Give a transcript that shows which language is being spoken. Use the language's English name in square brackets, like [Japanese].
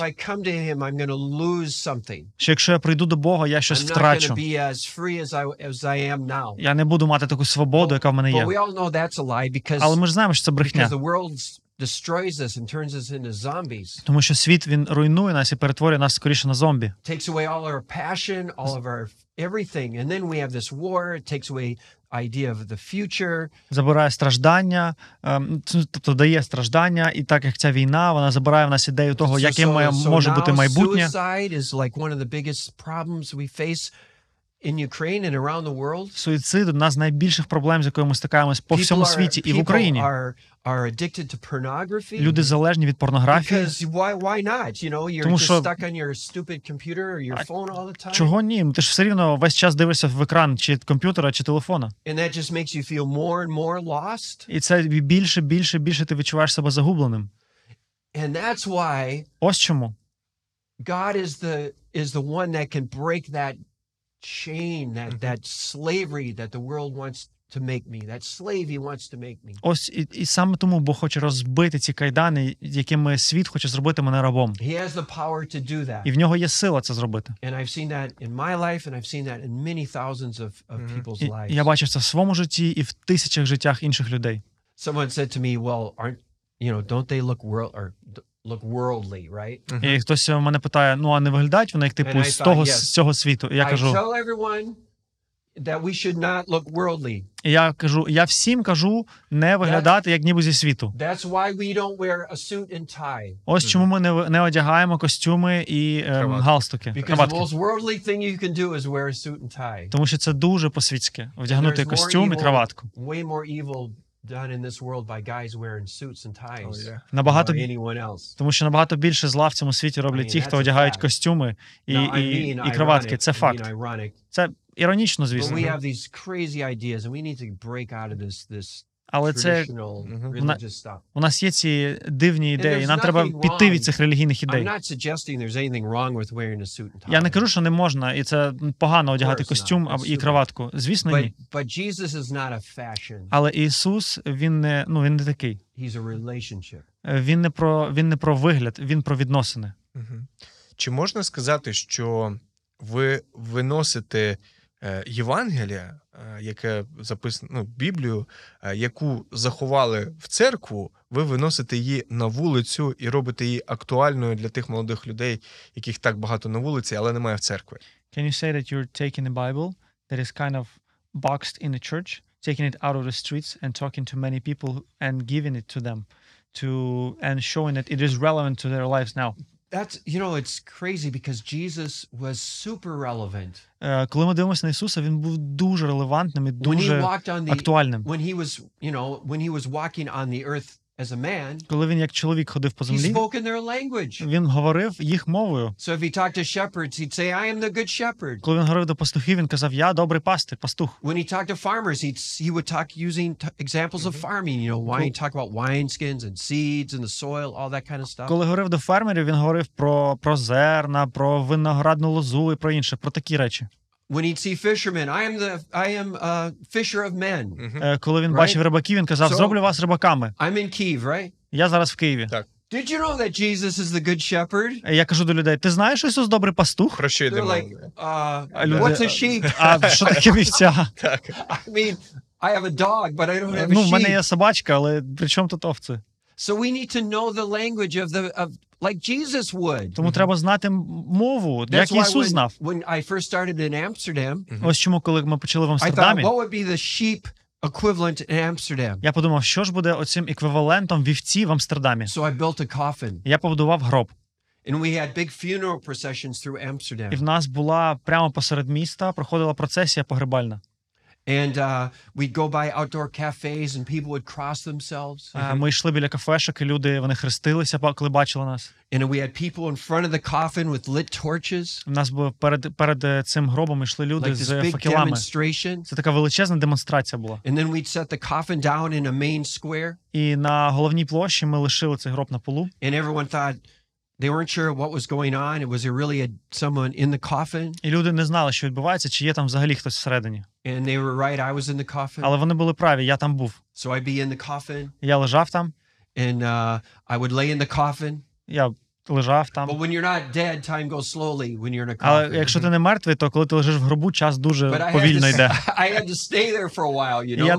[English] That if I come to him, I'm going to lose something. [Ukrainian] Що якщо я прийду до Бога, я щось втрачу. [English] I'm not going to be as free as I am now. [Ukrainian] Я не буду мати таку свободу, яка в мене є. [English] But we all know that's a lie because [Ukrainian] але ми ж знаємо, що це брехня. [English] The world destroys us and turns us into zombies. [Ukrainian] Тому що світ він руйнує нас і перетворює нас скоріше на зомбі. [English] Takes away all our passion, all of our everything, and then we have this war. It takes away idea of the future. [Ukrainian] Забирає страждання, тобто дає страждання, і так як ця війна, вона забирає в нас ідею того, яким може бути майбутнє. [English] Suicide is like one of the biggest problems we face in Ukraine and around the world. [Ukrainian] Суїцид одна з найбільших проблем, з якою ми стикаємось по всьому світі і в Україні. [English] Are addicted to pornography? [Ukrainian] Люди залежні від порнографії? [English] Because why not? You know, you're just stuck on your stupid computer or your phone all the time. [Ukrainian] Чого ні? Ти ж все рівно весь час дивишся в екран чи комп'ютера, чи телефона. [English] And that just makes you feel more and more lost. [Ukrainian] І це більше ти відчуваєш себе загубленим. [English] And that's why [Ukrainian] ось чому [English] God is the one that can break that chain, that slavery that the world wants to make me, that slave he wants to make me. [Ukrainian] Ось і саме тому Бог хоче розбити ці кайдани, якими світ хоче зробити мене рабом. [English] He has the power to do that. [Ukrainian] І в нього є сила це зробити. [English] And I've seen that in my life and I've seen that in many thousands of people's lives. [Ukrainian] Я бачив це в своєму житті і в тисячах життях інших людей. [English] Someone said to me, "Well, aren't, you know, don't they look worldly, right?" [Ukrainian] І хтось мене питає: "Ну, а не виглядають вони як типу з того з цього світу?" І я кажу: [English] "I tell everyone that we should not look worldly." [Ukrainian] Я всім кажу не виглядати як ніби зі світу. [English] That's why we don't wear a suit and tie. [Ukrainian] Ось чому ми не одягаємо костюми і галстуки. [English] Because the most worldly thing you can do is wear a suit and tie. [Ukrainian] Тому що це дуже по-світськи одягнути костюм і краватку. [English] Way more evil done in this world by guys wearing suits and ties. [Ukrainian] Набагато [English] than anyone else. [Ukrainian] Тому що набагато більше зла в цьому світі роблять ті, хто одягають костюми і краватки. Це факт. Це іронічно, звісно. [English] But we have these crazy ideas and we need to break out of this traditional religious stuff. [Ukrainian] У нас є ці дивні ідеї, нам треба піти від цих релігійних ідей. [English] I'm not suggesting there's anything wrong with wearing a suit and tie. [Ukrainian] Я не кажу, що не можна, і це погано одягати костюм і краватку. Звісно, ні. [English] But Jesus is not a fashion. [Ukrainian] Але Ісус, він не такий. [English] He's a relationship. [Ukrainian] Він не про вигляд, він про відносини. Чи можна сказати, що ви виносите Євангелія, яке записано, ну, Біблію, яку заховали в церкву, ви виносите її на вулицю і робите її актуальною для тих молодих людей, яких так багато на вулиці, але немає в церкві. [English] Can you say that you're taking the Bible that is kind of boxed in a church, taking it out of the streets and talking to many people and giving it to them to and showing that it is relevant to their lives now? That's, you know, it's crazy because Jesus was super relevant. [Ukrainian] Коли ми дивимося на Ісуса, він був дуже релевантним і дуже актуальним. [English] When he was, you know, when he was walking on the earth as a man, [Ukrainian] коли він як чоловік ходив по землі, [English] he spoke in their language. [Ukrainian] Він говорив їх мовою. [English] So if he talked to shepherds, he'd say, I am the good shepherd. [Ukrainian] Коли він говорив до пастухів, він казав, я добрий пастир, пастух. [English] When he talked to farmers, he would talk using examples of farming, you know, wine, talk about wineskins and seeds and the soil, all that kind of stuff. [Ukrainian] Коли говорив до фермерів, він говорив про зерна, про виноградну лозу і про інше, про такі речі. [English] When he'd see fishermen, I am a fisher of men. [Ukrainian] Коли він бачив рибаків, він казав, зроблю вас рибаками. [English] I'm in Kyiv, right? [Ukrainian] Я зараз в Києві. Так. [English] Did you know that Jesus is the good shepherd? [Ukrainian] Я кажу до людей, ти знаєш, що Ісус добрий пастух? Про що йдемо? [English] They're like, what's a sheep? [Ukrainian] А що таке вівця? Так. [English] I mean, I have a dog, but I don't have a sheep. [Ukrainian] Ну, в мене є собачка, але при чому тут овці? [English] So we need to know the language of the of like Jesus would. [Ukrainian] Тому треба знати мову, як Ісус знав. [English] When I first started in Amsterdam, [Ukrainian] ось чому коли ми почали в Амстердамі. [English] I thought, what would be the sheep equivalent in Amsterdam? [Ukrainian] Я подумав, що ж буде оцим еквівалентом вівці в Амстердамі. [English] So I built a coffin. [Ukrainian] Я побудував гроб. [English] And we had big funeral processions through Amsterdam. [Ukrainian] І в нас була прямо посеред міста проходила процесія погребальна. [English] And we'd go by outdoor cafes and people would cross themselves. [Ukrainian] Ми йшли біля кафешок, і люди, вони хрестилися, коли бачили нас. [English] And we had people in front of the coffin with lit torches. [Ukrainian] У нас було перед цим гробом йшли люди з факелами. Це така величезна демонстрація була. [English] And then we'd set the coffin down in a main square. [Ukrainian] І на головній площі ми лишили цей гроб на полу. [English] And everyone thought they weren't sure what was going on. It was really someone in the coffin. [Ukrainian] І люди не знали, що відбувається, чи є там взагалі хтось всередині. [English] And they were right, I was in the coffin. [Ukrainian] Але вони були праві, я там був. [English] So I'd be in the coffin. [Ukrainian] Я лежав там. [English] And I would lay in the coffin. [Ukrainian] Я лежав там. [English] But when you're not dead, time goes slowly when you're in a coffin. [Ukrainian] Але якщо ти не мертвий, то коли ти лежиш в гробу, час дуже повільно йде. [English] I had to stay there for a while, you know,